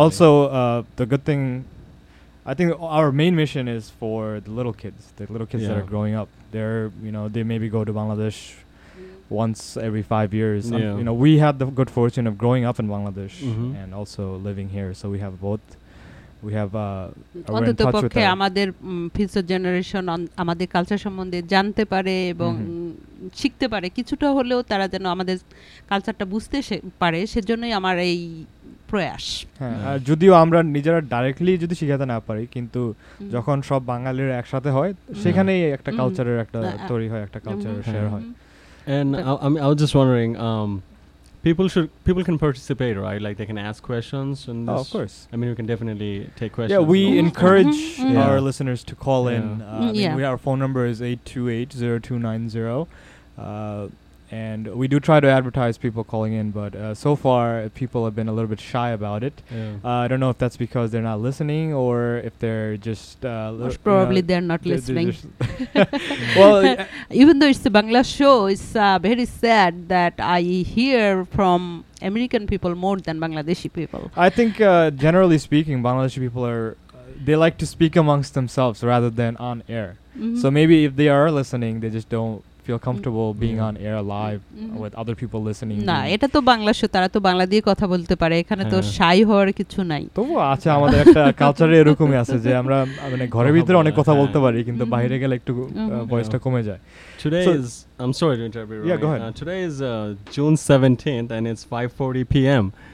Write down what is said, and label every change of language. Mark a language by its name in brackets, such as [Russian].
[English] Also, the good thing, I think our main mission is for the little kids that are growing up. They're, you know, they maybe go to Bangladesh once every 5 years. You know, we had the good fortune of growing up in Bangladesh and also living here, so we have both. We have [Bangla] অন্তত পক্ষে আমাদের future generation আমাদের culture সম্বন্ধে জানতে পারে এবং শিখতে পারে, কিছুটা হলেও তারা যেন আমাদের কালচারটা বুঝতে পারে, সেজন্যই আমার এই প্রয়াস। হ্যাঁ, যদিও আমরা নিজেরা ডাইরেক্টলি যদি শিখাতে না পারি, কিন্তু যখন সব বাঙালির একসাথে হয় সেখানেই একটা কালচারের একটা তৈরি হয়, একটা কালচার শেয়ার হয়। [English] And I was just wondering, people can participate, right? Like they can ask questions and this. Oh, of course. I mean, we can definitely take questions. Yeah, we encourage our listeners to call in. Our phone number is 828-0290. And we do try to advertise people calling in, but so far people have been a little bit shy about it. Yeah. I don't know if that's because they're not listening or if they're just... Probably they're not listening. Well, even though it's a Bangla show, it's very sad that I hear from American people more than Bangladeshi people. I think generally speaking, Bangladeshi people they like to speak amongst themselves rather than on air. Mm-hmm. So maybe if they are listening, they just don't feel comfortable being on air live with other people listening. [Bangla] না এটা তো Bangla show, তারা তো বাংলা দিয়ে কথা বলতে পারে, এখানে তো শাই হওয়ার কিছু নাই। তবু আছে আমাদের একটা কালচারে এরকমই আছে যে আমরা মানে ঘরের ভিতরে অনেক কথা বলতে পারি কিন্তু বাইরে গেলে একটু ভয়েসটা কমে যায়। [English] Today is I'm sorry to interrupt you. Yeah, go ahead. Today is June 17th and it's 5:40 p.m.